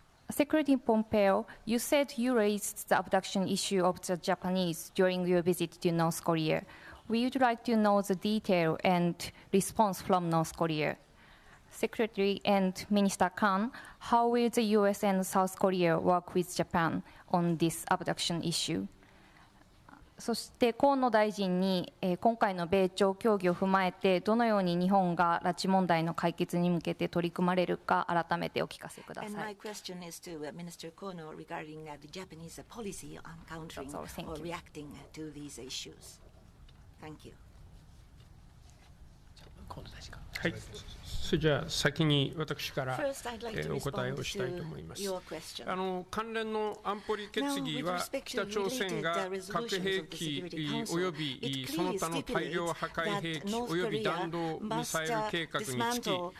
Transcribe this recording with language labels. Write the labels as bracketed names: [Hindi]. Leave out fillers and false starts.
[English] Secretary Pompeo, you said you raised the abduction issue of the Japanese during your visit to North Korea. We would like to know the detail and response from North Korea. Secretary and Minister Khan, how will the U.S. and South Korea work with Japan on this abduction issue? [Japanese] そして河野大臣に今回の米朝協議を踏まえてどのように日本が拉致問題の解決に向けて取り組まれるか改めてお聞かせください。 [English] And my question is to Minister Kono regarding the Japanese policy on countering or reacting to these issues. Thank you. [Japanese] はい、それじゃあ先に私からお答えをしたいと思います。関連の安保理決議は北朝鮮が核兵器およびその他の大量破壊兵器および弾道ミサイル計画につき